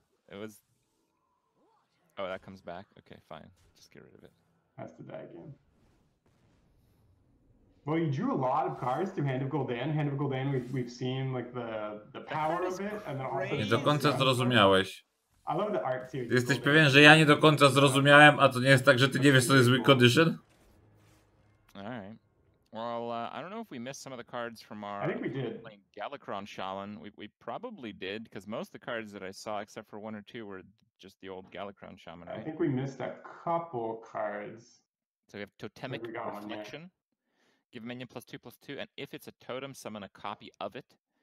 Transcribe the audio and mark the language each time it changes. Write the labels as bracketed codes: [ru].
[en] It was... Oh, that comes back? Okay, fine. Just get rid of it. Has to die again. Well, you drew a lot of cards through Hand of Gul'dan. Hand of Gul'dan, we've seen like the power of it, and then also. [pl] Nie do końca zrozumiałeś. [en] I love the art too. [pl] Jesteś pewien, że ja nie do końca zrozumiałem, a to nie jest tak, że ty nie wiesz, co jest weak condition? [en] All right. Well, I don't know if we missed some of the cards from our. I think we did. Playing Galakrond Shaman, we probably did, because most of the cards that I saw, except for one or two, were just the old Galakrond Shaman. Right? I think we missed a couple cards. So we have Totemic Reflection. Give a minion +2/+2, and if it's a totem, summon a copy of it.